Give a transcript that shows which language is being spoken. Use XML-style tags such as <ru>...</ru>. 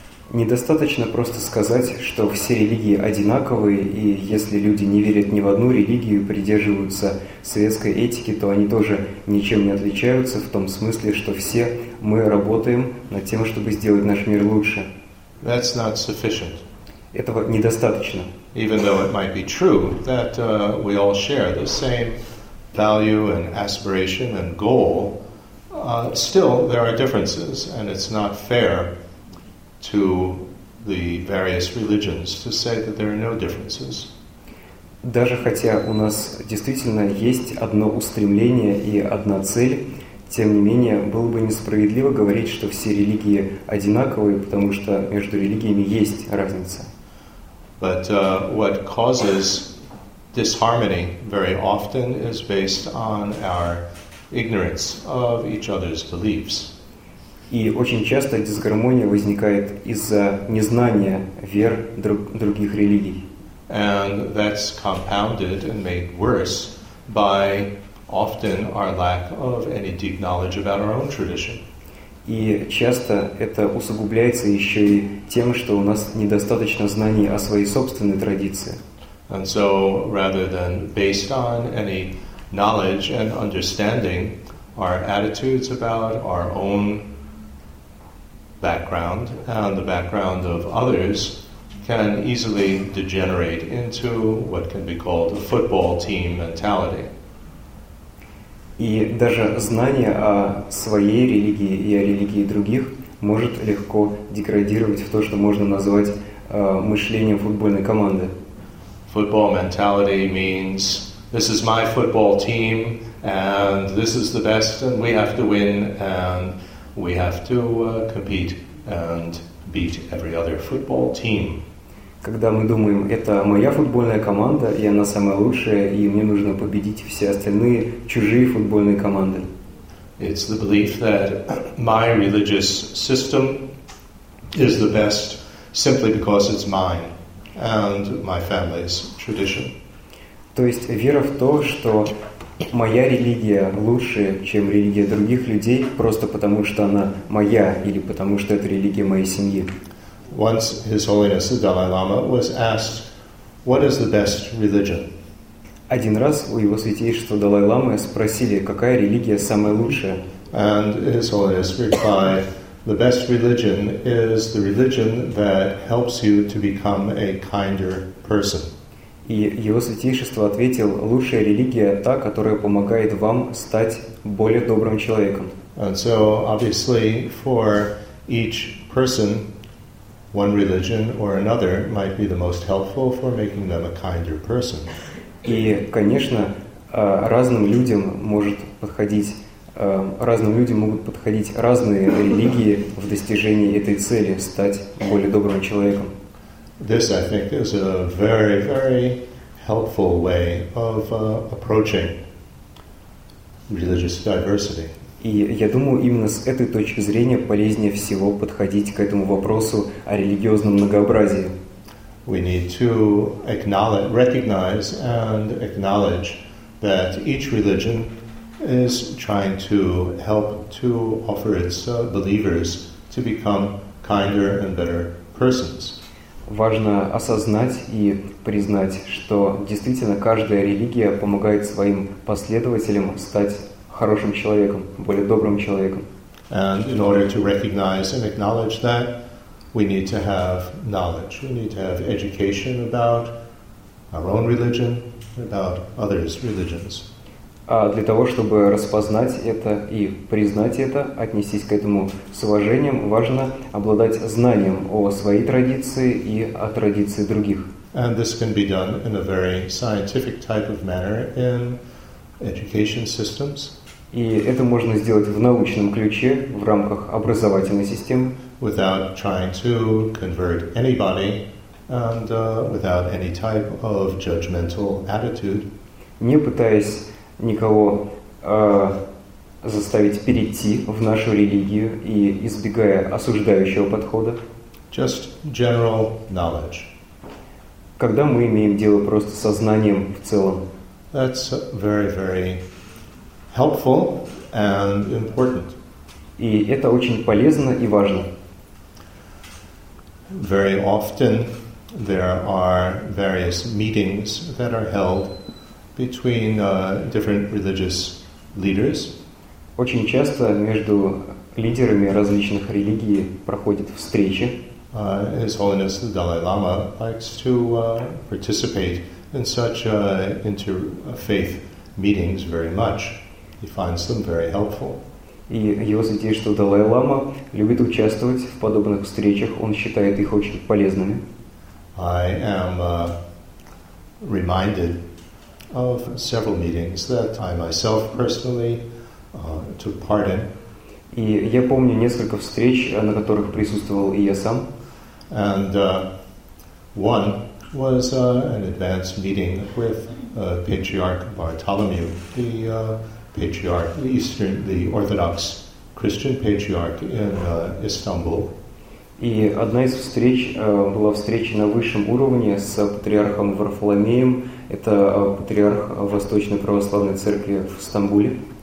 <ru>Недостаточно просто сказать, что все религии одинаковые, и если люди не верят ни в одну религию, придерживаются светской этики, то они тоже ничем не отличаются в том смысле, что все мы работаем над тем, чтобы сделать наш мир лучше.</ru> <en>That's not sufficient.</en> <ru>Этого недостаточно.</ru> <en>Even though it might be true that we all share the same value and aspiration and goal, still there are differences, and it's not fair to the various religions to say that there are no differences.</en> <ru>Даже хотя у нас действительно есть одно устремление и одна цель, тем не менее было бы несправедливо говорить, что все религии одинаковые, потому что между религиями есть разница.</ru> <en>But what causes disharmony very often is based on our ignorance of each other's beliefs.</en> <ru>И очень часто дисгармония возникает из-за незнания вер других религий.</ru> <en>And that's compounded and made worse by often our lack of any deep knowledge about our own tradition.</en> <ru>И часто это усугубляется еще и тем, что у нас недостаточно знаний о своей собственной традиции.</ru> <en>And so, rather than based on any knowledge and understanding, our attitudes about our own background and the background of others can easily degenerate into what can be called a football team mentality.</en> <ru>И даже знание о своей религии и о религии других может легко деградировать в то, что можно назвать мышлением футбольной команды.</ru> <en>Football mentality means this is my football team and this is the best and we have to win and we have to compete and beat every other football team.</en> <ru>Когда мы думаем, это моя футбольная команда, и она самая лучшая, и мне нужно победить все остальные чужие футбольные команды.</ru> <en>It's the belief that my religious system is the best simply because it's mine and my family's tradition.</en> <ru>То есть вера в то, что моя религия лучше, чем религия других людей, просто потому что она моя или потому что это религия моей семьи.</ru> <en>Once His Holiness the Dalai Lama was asked, "What is the best religion?"</en> <ru>Один раз у его святейшества Далай Ламы спросили, какая религия самая лучшая.</ru> <en>And His Holiness replied, "The best religion is the religion that helps you to become a kinder person."</en> <ru>И его святейшество ответил, лучшая религия та, которая помогает вам стать более добрым человеком.</ru> <en>And so, obviously, for each person, one religion or another, might be the most helpful for making them a kinder person.</en> <ru>И, конечно, разным людям может подходить разным людям могут подходить разные религии в достижении этой цели — стать более добрым человеком.</ru> <en>This, I think, is a very, very helpful way of approaching religious diversity.</en> <ru>И я думаю, именно с этой точки зрения полезнее всего подходить к этому вопросу о религиозном многообразии.</ru> <en>We need to acknowledge, recognize and acknowledge that each religion is trying to help to offer its believers to become kinder and better persons.</en> <ru>Важно осознать и признать, что действительно каждая религия помогает своим последователям стать хорошим человеком, более добрым человеком.</ru> <en>And in order to recognize and acknowledge that, we need to have knowledge. We need to have education about our own religion, about others' religions.</en> <ru>А для того, чтобы распознать это и признать это, отнестись к этому с уважением, важно обладать знанием о своей традиции и о традиции других.</ru> <en>And this can be done in a very scientific type of manner in education systems.</en> <ru>И это можно сделать в научном ключе, в рамках образовательной системы.</ru> <en>Without trying to convert anybody and without any type of judgmental attitude.</en> <ru>Не пытаясь никого заставить перейти в нашу религию и избегая осуждающего подхода.</ru> <en>Just general knowledge.</en> <ru>Когда мы имеем дело просто со знанием в целом.</ru> <en>That's very, very helpful and important.</en> <ru>И это очень полезно и важно.</ru> <en>Very often there are various meetings that are held between different religious leaders.</en> <ru>Очень часто между лидерами различных религий проходят встречи.</ru> <en>His Holiness the Dalai Lama likes to participate in such interfaith meetings very much. He finds them very helpful.</en> <ru>И его святейшество, что Далай Лама любит участвовать в подобных встречах, он считает их очень полезными.</ru> <en>I am reminded of several meetings that I myself personally took part in.</en> <ru>И я помню несколько встреч, на которых присутствовал и я сам.</ru> <en>And one was an advanced meeting with Patriarch Bartholomew, the patriarch, the Orthodox Christian patriarch in Istanbul.</en> <ru>И одна из встреч была встреча на высшем уровне с патриархом Варфоломеем. Это патриарх Восточной Православной Церкви в Стамбуле.</ru>